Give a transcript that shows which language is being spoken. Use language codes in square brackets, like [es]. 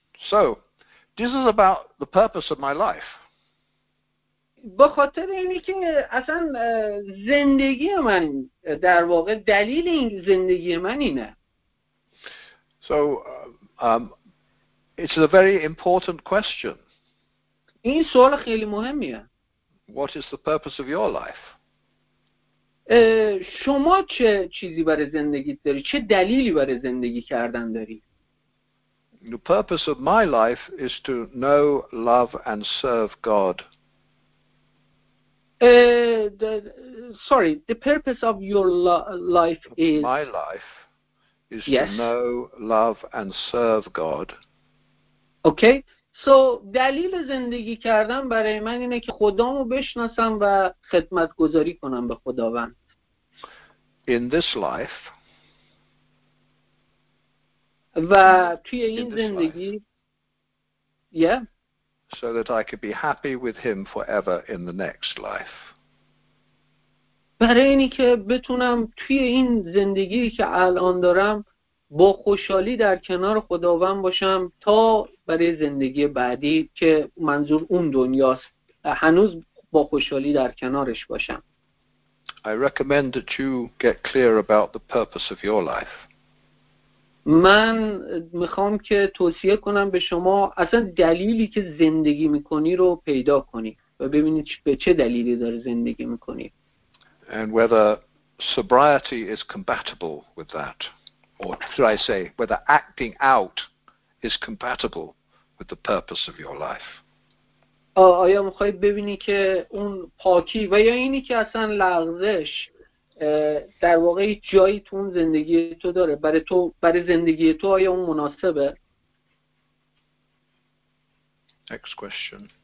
[en] So, this is about the purpose of my life. [fa] به خاطر اینی که اصلا زندگی من در واقع دلیل این زندگی من اینه. [en] So, it's a very important question. [fa] این سوال خیلی مهمیه. [en] What is the purpose of your life? [fa] شما چه چیزی برای زندگی داری؟ چه دلیلی برای زندگی کردن داری؟ [en] The purpose of my life is to know, love and serve God. The purpose of your life is... My life is to know, love and serve God. Okay, so [fa] دلیل زندگی کردن برای من اینه که خدامو بشناسم و خدمت گذاری کنم به خداوند. [en] In this life, [fa] و توی این زندگی life, [en] so that I could be happy with him forever in the next life. [fa] برای اینی که بتونم توی این زندگی که الان دارم با خوشحالی در کنار خداوند باشم تا برای زندگی بعدی که منظور اون دنیاست، هنوز با خوشحالی در کنارش باشم. [en] I recommend that you get clear about the purpose of your life. [fa] من میخوام که توصیه کنم به شما اصلا دلیلی که زندگی میکنی رو پیدا کنی و ببینی به چه دلیلی داره زندگی میکنی. [en] And whether sobriety is compatible with that, or should I say, whether acting out is compatible with the purpose of your life. [fa] آیا میخوایی ببینی که اون پاکی و یا اینی که اصلا لغزش در واقع جایی تو اون زندگی تو داره برای تو، برای زندگی تو آیا اون مناسبه؟ [en] Next question.